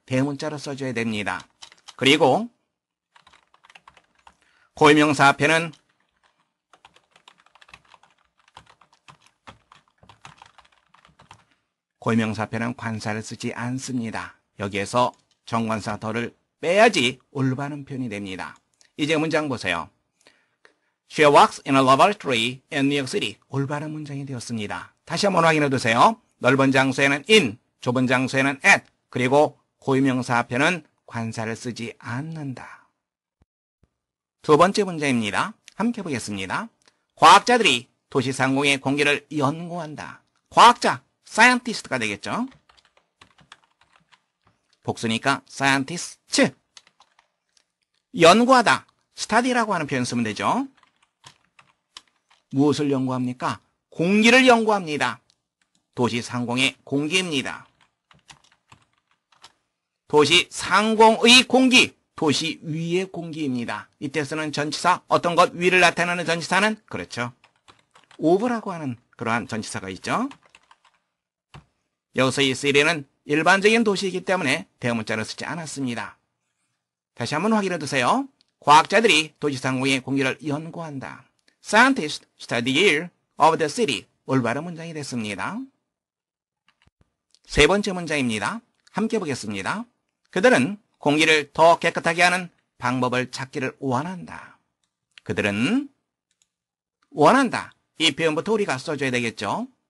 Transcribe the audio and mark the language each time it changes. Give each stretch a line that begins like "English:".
Korean: 대문자로 써줘야 됩니다. 그리고 고유명사 앞에는 고유명사 앞에는 관사를 쓰지 않습니다. 여기에서 정관사 더를 빼야지 올바른 표현이 됩니다. 이제 문장 보세요.
English: She works in a laboratory in New York City.
Korean: 올바른 문장이 되었습니다. 다시 한번 확인해 두세요. 넓은 장소에는 in, 좁은 장소에는 at, 그리고 고유명사 앞에는 관사를 쓰지 않는다. 두 번째 문제입니다. 함께 보겠습니다. 과학자들이 도시 상공의 공기를 연구한다. 과학자, scientist가 되겠죠? 복수니까 scientist. 연구하다, study라고 하는 표현 쓰면 되죠. 무엇을 연구합니까? 공기를 연구합니다. 도시 상공의 공기입니다. 도시 상공의 공기, 도시 위의 공기입니다. 이때 쓰는 전치사, 어떤 것 위를 나타내는 전치사는? 그렇죠. of라고 하는 그러한 전치사가 있죠. 여기서 이 city는 일반적인 도시이기 때문에 대문자를 쓰지 않았습니다. 다시 한번 확인해 두세요. 과학자들이 도시 상공의 공기를 연구한다.
English: Scientists study air of the city.
Korean: 올바른 문장이 됐습니다. 세 번째 문장입니다. 함께 보겠습니다. 그들은 공기를 더 깨끗하게 하는 방법을 찾기를 원한다. 그들은 원한다. 이 표현부터 우리가 써줘야 되겠죠.